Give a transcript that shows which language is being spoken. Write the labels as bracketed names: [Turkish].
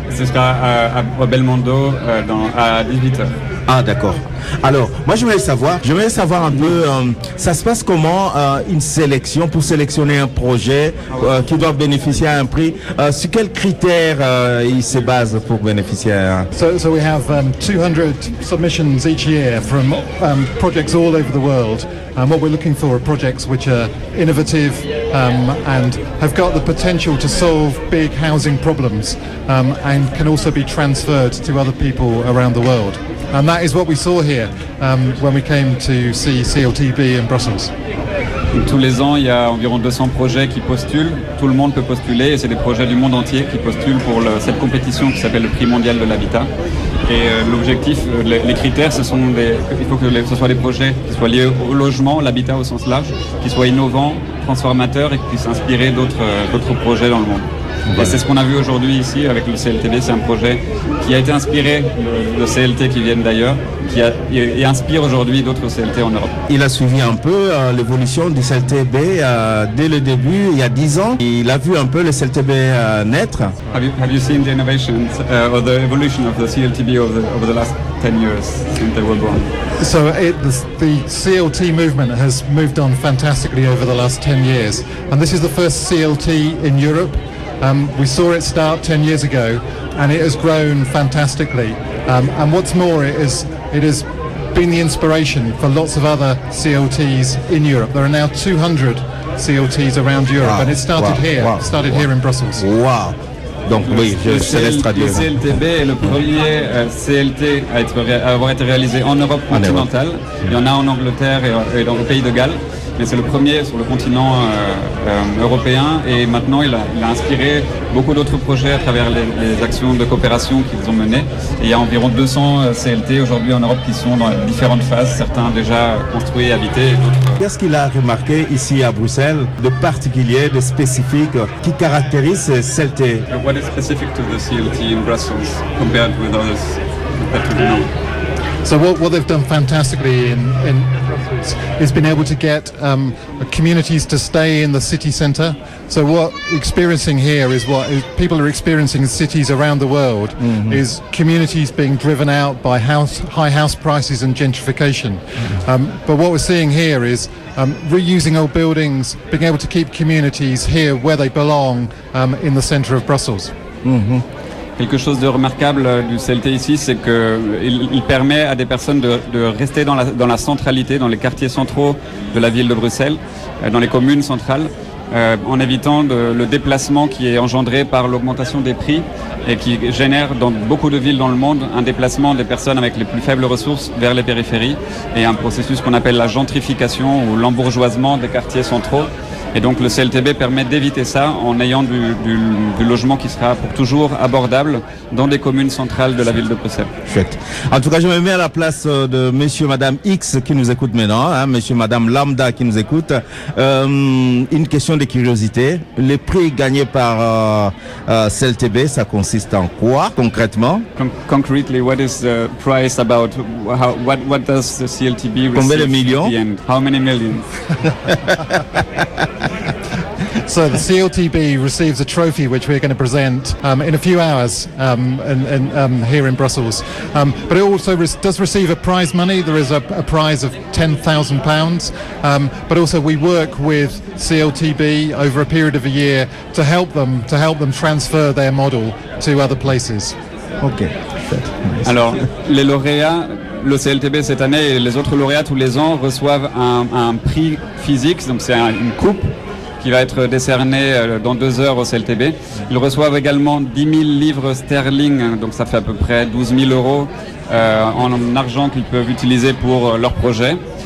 [French] Ce sera à Belmondo à 18h. Ah, d'accord. Alors, moi, je voulais savoir un peu, ça se passe comment une sélection, pour sélectionner un projet qui doit bénéficier à un prix, sur quels critères il se base pour bénéficier à un prix? [English] So we have 200 submissions each year from projects all over the world. And what we're looking for are projects which are innovative and have got the potential to solve big housing problems and can also be transferred to other people around the world. And that is what we saw here when we came to see CLTB in Brussels. [French] Tous les ans, il y a environ 200 projets qui postulent. Tout le monde peut postuler et c'est des projets du monde entier qui postulent pour cette compétition qui s'appelle le Prix Mondial de l'Habitat. Et l'objectif, les critères, ce soit des projets qui soient liés au logement, l'habitat au sens large, qui soient innovants, transformateurs et qui puissent inspirer d'autres projets dans le monde. Voilà. Et c'est ce qu'on a vu aujourd'hui ici avec le CLTB. C'est un projet qui a été inspiré de CLT qui viennent d'ailleurs et inspire aujourd'hui d'autres CLT en Europe. Il a suivi un peu l'évolution du CLTB dès le début, il y a 10 ans. Il a vu un peu le CLTB naître. [English] Have you seen the innovations or the evolution of the CLTB over the last 10 years since they were born? So the CLT movement has moved on fantastically over the last 10 years. And this is the first CLT in Europe. We saw it start 10 years ago and it has grown fantastically. And what's more, it has been the inspiration for lots of other CLTs in Europe. There are now 200 CLTs around Europe and it started here in Brussels. Wow. [French] Donc oui, je laisse traduire. Le CLTB est le premier CLT à avoir été réalisé en Europe continentale. Il y en a en Angleterre et dans le pays de Galles. Mais c'est le premier sur le continent européen et maintenant il a inspiré beaucoup d'autres projets à travers les actions de coopération qu'ils ont menées. Et il y a environ 200 CLT aujourd'hui en Europe qui sont dans différentes phases, certains déjà construits, habités. Qu'est-ce qu'il a remarqué ici à Bruxelles de particulier, de spécifique qui caractérise CLT? [English] What is specific to the CLT in Brussels compared with others that we know? So what they've done fantastically in Brussels is been able to get communities to stay in the city centre. So what experiencing here is what people are experiencing in cities around the world is communities being driven out by high house prices and gentrification. Mm-hmm. But what we're seeing here is reusing old buildings, being able to keep communities here where they belong in the centre of Brussels. Mm-hmm. [French] Quelque chose de remarquable du CLT ici, c'est qu'il permet à des personnes de rester dans la centralité, dans les quartiers centraux de la ville de Bruxelles, dans les communes centrales, en évitant le déplacement qui est engendré par l'augmentation des prix et qui génère dans beaucoup de villes dans le monde un déplacement des personnes avec les plus faibles ressources vers les périphéries et un processus qu'on appelle la gentrification ou l'embourgeoisement des quartiers centraux. Et donc le CLTB permet d'éviter ça en ayant du logement qui sera pour toujours abordable dans les communes centrales de la ville de Bruxelles. Chouette. En tout cas, je me mets à la place de monsieur, madame X qui nous écoute maintenant, hein, monsieur, madame Lambda qui nous écoute. Une question de curiosité, les prix gagnés par CLTB, ça consiste en quoi concrètement? [English] Concretely, what is the price about? What does the CLTB receive? [French] Combien de millions? [English] How many millions? So the CLTB receives a trophy which we're going to present in a few hours here in Brussels. But it also does receive a prize money. There is a prize of £10,000. But also we work with CLTB over a period of a year to help them transfer their model to other places. Okay. [French] Alors, les lauréats, le CLTB cette année et les autres lauréats tous les ans reçoivent un prix physique, donc c'est une coupe qui va être décerné dans 2 heures au CLTB. Ils reçoivent également 10 000 livres sterling, donc ça fait à peu près 12 000 euros en argent qu'ils peuvent utiliser pour leur projet.